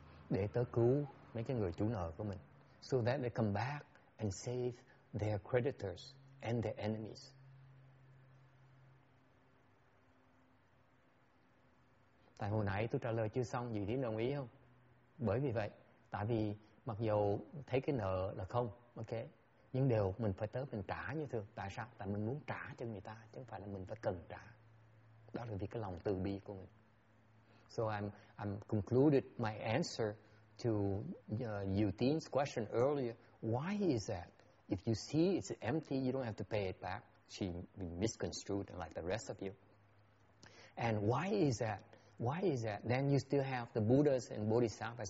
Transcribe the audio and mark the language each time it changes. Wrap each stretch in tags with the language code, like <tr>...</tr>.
<vi>Để tới cứu mấy cái người chủ nợ của mình.</vi> <en>So that they come back and save their creditors and their enemies.</en> <vi>Tại hồi nãy tôi trả lời chưa xong, dì Tiến đồng ý không? Bởi vì vậy, tại vì mặc dù thấy cái nợ là không, ok, nhưng đều mình phải tới mình trả như thường. Tại sao? Tại mình muốn trả cho người ta, chứ không phải là mình phải cần trả. Đó là vì cái lòng từ bi của mình.</vi> <en>So I'm concluded my answer to Yutin's question earlier. Why is that? If you see it's empty, you don't have to pay it back. She misconstrued it like the rest of you. And why is that? Why is that? Then you still have the Buddhas and Bodhisattvas.</en>